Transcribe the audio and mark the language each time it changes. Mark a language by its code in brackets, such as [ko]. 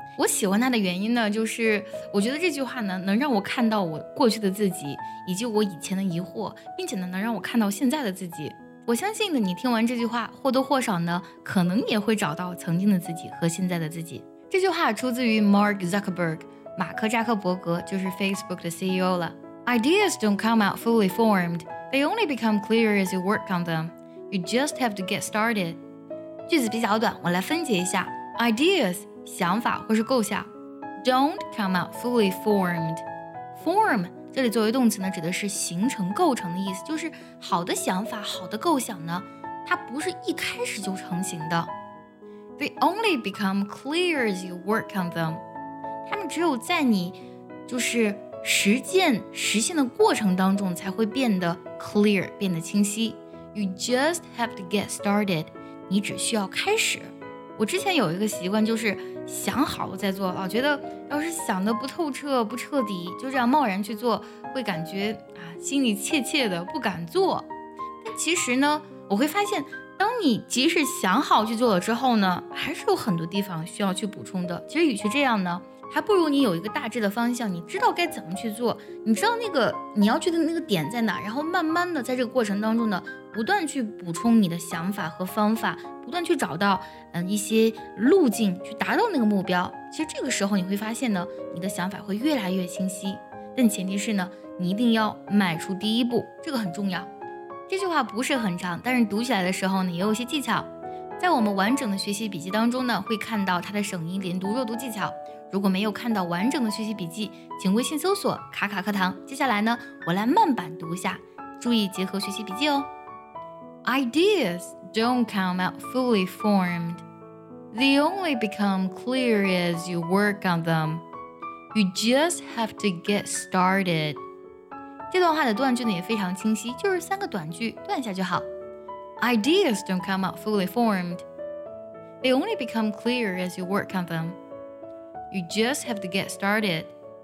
[zh] 我喜欢它的原因呢，就是我觉得这句话呢，能让我看到我过去的自己，以及我以前的疑惑，并且呢，能让我看到现在的自己。我相信呢，你听完这句话，或多或少呢，可能也会找到曾经的自己和现在的自己。这句话出自于 Mark Zuckerberg， 马克扎克伯格，就是 Facebook 的 CEO 了。 [en] Ideas don't come out fully formed; they only become clear as you work on them. You just have to get started. [zh] 句子比较短，我来分解一下。Ideas, 想法或是构想。 [en] Don't come out fully formed. [zh] Form, 这里作为动词呢，指的是形成、构成的意思，就是好的想法、好的构想呢，它不是一开始就成型的。 [en] They only become clear as you work on them. [zh] 它们只有在你就是实践、实现的过程当中才会变得 clear, 变得清晰。 [en] You just have to get started. [zh] 你只需要开始。我之前有一个习惯，就是想好了再做，老觉得要是想得不透彻、不彻底，就这样贸然去做，会感觉啊，心里怯怯的，不敢做。但其实呢，我会发现，当你即使想好去做了之后呢，还是有很多地方需要去补充的。其实与其这样呢，还不如你有一个大致的方向，你知道该怎么去做，你知道那个你要去的那个点在哪，然后慢慢的在这个过程当中呢，不断去补充你的想法和方法，不断去找到一些路径去达到那个目标。其实这个时候你会发现呢，你的想法会越来越清晰，但前提是呢，你一定要迈出第一步，这个很重要。这句话不是很长，但是读起来的时候呢，也有一些技巧。在我们完整的学习笔记当中呢，会看到它的省音连读弱读技巧。如果没有看到完整的学习笔记，请微信搜索卡卡课堂。接下来呢，我来慢版读一下，注意结合学习笔记哦。 [en] Ideas don't come out fully formed. They only become clear as you work on them. You just have to get started. [zh] 这段话的断句呢也非常清晰，就是三个短句，断下就好。 [en] Ideas don't come out fully formed. They only become clear as you work on them. You just have to get started.